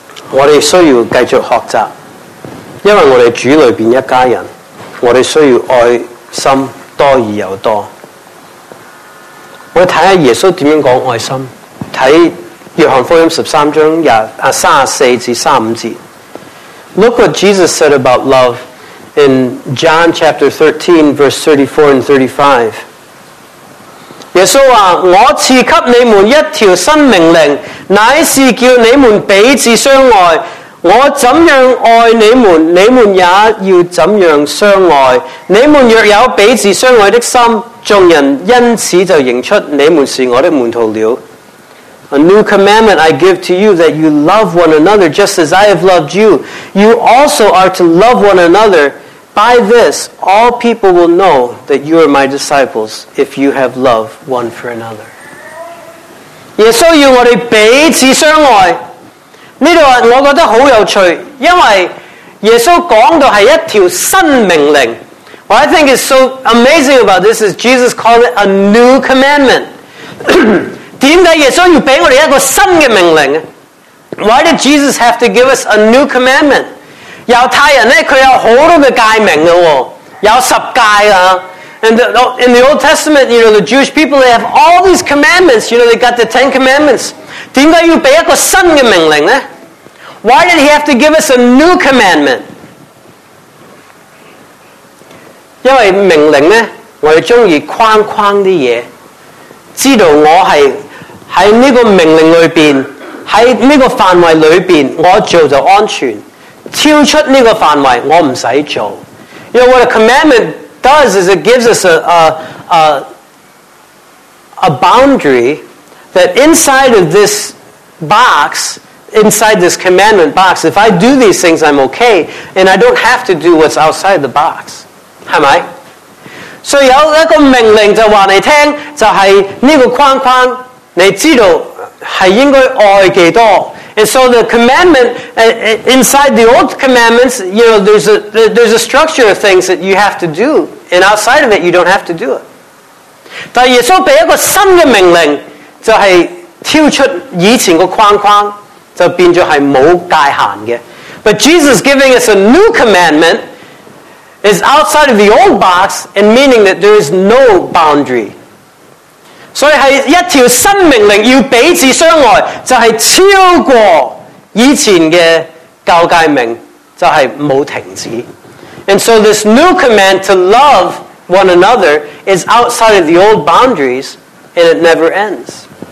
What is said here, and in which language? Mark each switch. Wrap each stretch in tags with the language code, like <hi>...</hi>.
<zh>我们需要继续学习，因为我们主里面一家人，我们需要爱心多而又多。我们看看耶稣怎样讲爱心，看约翰福音十三章34-35.</zh> <en>Look what Jesus said about love in John chapter 13:34-35. A new commandment I give to you, that you love one another just as I have loved you. You also are to love one another. By this, all people will know that you are my disciples, if you have love one for another.</en> <zh>耶稣要我们彼此相爱，这里我觉得很有趣，因为耶稣讲到是一条新命令。</zh> <en>What I think is so amazing about this is Jesus called it a new commandment.</en> <zh>为什么耶稣要给我们一个新的命令？</zh> <en>Why did Jesus have to give us a new commandment?</en> <zh>犹太人呢，他有很多的诫命的，有十诫啊。</zh> <en>In the Old Testament, you know, the Jewish people, they have all these commandments. You know, they got the Ten Commandments.</en> <zh>为什么要给一个新的命令呢？</zh> <en>Why did he have to give us a new commandment?</en> <zh>因为命令呢，我们喜欢框框的东西，知道我是在这个命令里面，在这个范围里面，我做就安全，超出这个范围我不用做。</zh> <en>You know what a commandment does is it gives us a boundary that inside of this box, inside this commandment box, if I do these things I'm okay, and I don't have to do what's outside the box.</en> <zh>是吗？所以有一个命令就告诉你，就是这个框框，你知道是应该爱多少。</zh> <en>And so the commandment, inside the old commandments, you know, there's a structure of things that you have to do, and outside of it, you don't have to do it.</en> <zh>但耶稣给一个新的命令，就是跳出以前的框框，就变成是没界限的。</zh> <en>But Jesus giving us a new commandment,is outside of the old box, and meaning that there is no boundary.</en> <zh>所以是一条新命令，要彼此相爱，就是超过以前的旧诫命，就是没有停止。</zh> <en>And so this new command to love one another is outside of the old boundaries, and it never ends.</en>